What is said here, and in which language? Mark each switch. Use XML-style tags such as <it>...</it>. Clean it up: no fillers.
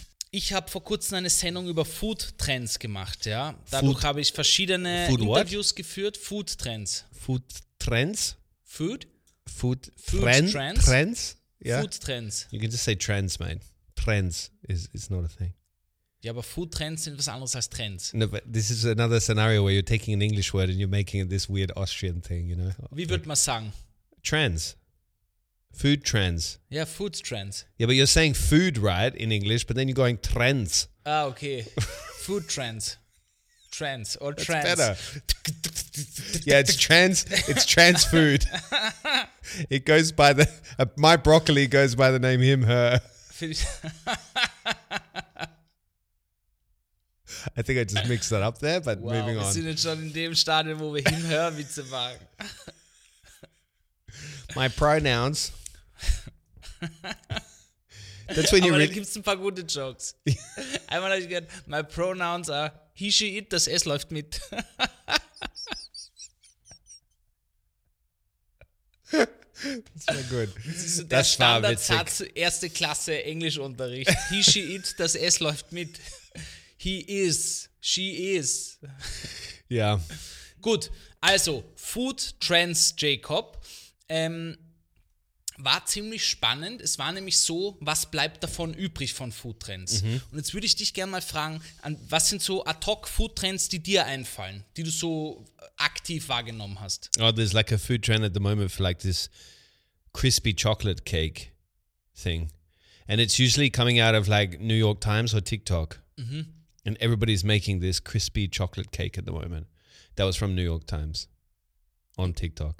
<de>Ich habe vor kurzem eine Sendung über Food Trends gemacht, ja. Dadurch habe ich verschiedene Interviews geführt. Food Trends. Food Trends? Food? Food, food trend, Trends? Trends?</de> <en>Yeah. Food Trends. You can just say Trends, mate. Trends is not a thing.</en> <de>Ja, aber Food Trends sind was anderes als Trends.</de> <en>No, but this is another scenario where you're taking an English word and you're making it this weird Austrian thing, you know?</en> <de>Wie würde man sagen?</de> <en>Trends. Food Trends.</en> <de>Ja, Food Trends.</de> <en>Yeah, but you're saying food, right, in English, but then you're going Trends. Ah, okay. Food Trends. Trends. Or Trends. That's better. Yeah, it's trans food. It goes by the... my broccoli goes by the name him, her. I think I just mixed that up there, but wow, moving on.</en> <de>Wir sind jetzt schon in dem Stadion, wo wir Hinhörwitze machen.</de> <en>My pronouns. That's when you</en> <de>aber really da gibt es ein paar gute Jokes. Einmal habe ich gehört,</de> <en>my pronouns are he, she, it,</en> <de>das S läuft mit. Das war gut. Das war witzig. Der Standardsatz, erste Klasse Englischunterricht. He, she, it, das S läuft mit.</de> <en>He is. She is.</en> <de>Ja. Gut, also Food Trends, Jacob. War ziemlich spannend. Es war nämlich so, was bleibt davon übrig von Food Trends? Mhm. Und jetzt würde ich dich gerne mal fragen, was sind so ad hoc Food Trends, die dir einfallen, die du so aktiv wahrgenommen hast?</de> <en>Oh, there's like a food trend at the moment for like this crispy chocolate cake thing. And it's usually coming out of like New York Times or TikTok. Mhm. And everybody's making this crispy chocolate cake at the moment. That was from New York Times on TikTok.</en>